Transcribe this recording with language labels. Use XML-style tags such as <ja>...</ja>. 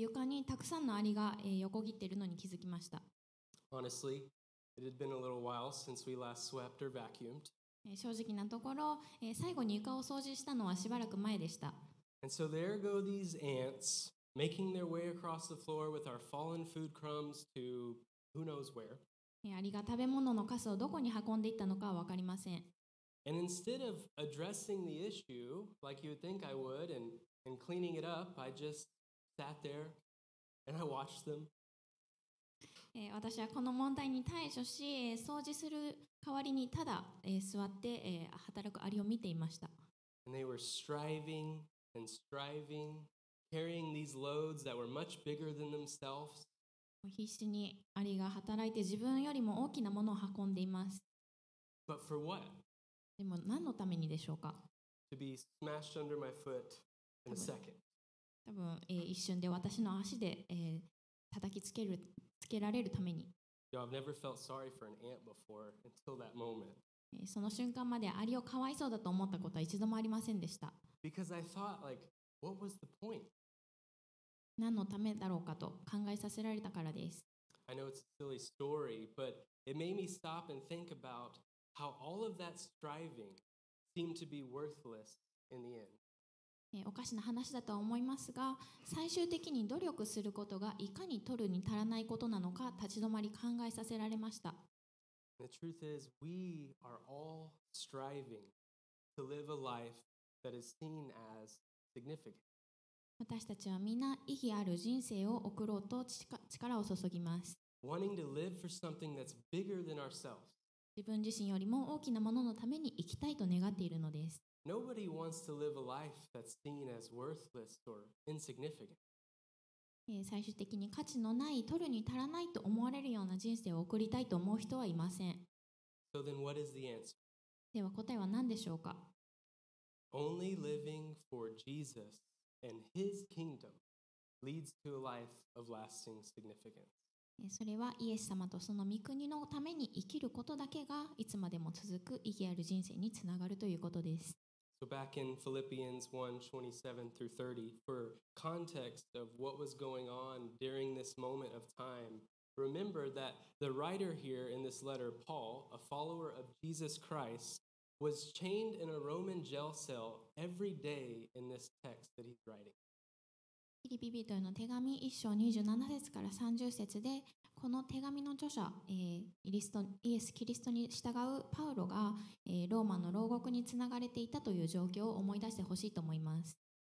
<ja>床にたくさんのアリが横切っているのに気づきました</ja> <en>Honestly, it had been a little while since we last swept or vacuumed.</en> <ja>正直なところ最後に床を掃除したのはしばらく前でした</ja> <en>And so there go these ants, making their way across the floor with our fallen food crumbs to who knows where.</en> <ja>アリが食べ物のカスをどこに運んでいったのかは分かりません。</ja> <en>And instead of addressing the issue like you would think I would and cleaning it up, I just sat there and I watched them.</en> <ja>私はこの問題に対処し、掃除する代わりにただ座って働くアリを見ていました。</ja> <en>And they were striving and striving, carrying these loads that were much bigger than themselves.</en> <ja>必死にアリが働いて自分よりも大きなものを運んでいます。</ja> <en>But for what?</en> <ja>でも何のためにでしょうか?</ja> <en>To be smashed under my foot in a second.</en> <ja>多分、一瞬で私の足で、叩きつける。つけられるために。</ja> <en>Yo, I've never felt sorry for an ant before until that moment.</en> <ja>その瞬間までアリをかわいそうだと思ったことは一度もありませんでした。</ja> <en>Because I thought, like, what was the point?</en> <ja>何のためだろうかと考えさせられたからです。</ja> <en>I know it's a silly story, but it made me stop and think about how all of that striving seemed to be worthless in the end.</en> <ja>おかしな話だとは思いますが、最終的に努力することがいかに取るに足らないことなのか立ち止まり考えさせられました。</ja> <en>The truth is, we are all striving to live a life that is seen as significant.</en> <ja>私たちはみんな意義ある人生を送ろうと力を注ぎます。</ja> <en>Wanting to live for something that's bigger than ourselves.</en> <ja>自分自身よりも大きなもののために生きたいと願っているのです。</ja> <en>Nobody wants to live a life that's seen as worthless or insignificant.</en> <ja>最終的に価値のない、取るに足らないと思われるような人生を送りたいと思う人はいません。</ja> <en>So then what is the answer?</en> <ja>では答えは何でしょうか?</ja> <en>Only living for Jesus and his kingdom leads to a life of lasting significance.</en> <ja>それはイエス様とその御国のために生きることだけがいつまでも続く意義ある人生につながるということです。</ja> <en>So back in Philippians 1:27 through 30, for context of what was going on during this moment of time, remember that the writer here in this letter, Paul, a follower of Jesus Christ, was chained in a Roman jail cell every day in this text that he's writing.</en> <ja>ピリピ人への手紙1章27節から30節で、この手紙の著者、イエス・キリストに従うパウロが、ローマの牢獄につながれていたという状況を思い出してほしいと思います。</ja>